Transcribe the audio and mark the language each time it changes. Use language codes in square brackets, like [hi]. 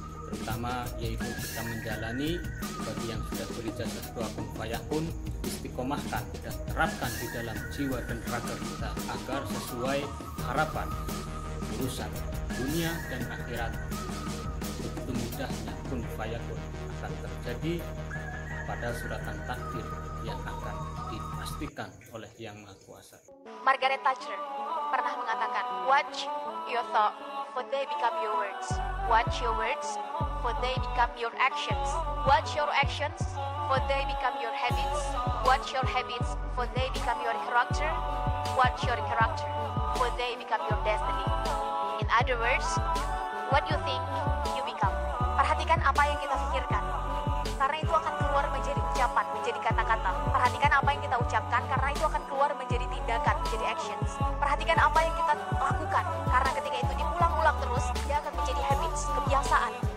[id] Terutama yaitu kita menjalani, bagi yang sudah berijazah doa pun payah pun, istiqomahkan dan terapkan di dalam jiwa dan raga kita agar sesuai harapan urusan dunia dan akhirat. Begitu mudahnya kun fayakun akan terjadi pada suratan takdir yang akan dipastikan oleh Yang Maha Kuasa. Margaret Thatcher pernah mengatakan, [en] "Watch your thought for they become your words. Watch your words for they become your actions. Watch your actions for they become your habits. Watch your habits for they become your character. Watch your character for they become your destiny. In other words, what you think, you become." [id] Perhatikan apa yang kita pikirkan, karena itu akan keluar menjadi ucapan, menjadi kata-kata. Perhatikan apa yang kita ucapkan, karena itu akan keluar menjadi tindakan, menjadi actions. Perhatikan apa yang kita lakukan, karena ketika itu diulang-ulang terus, dia akan menjadi habits, kebiasaan.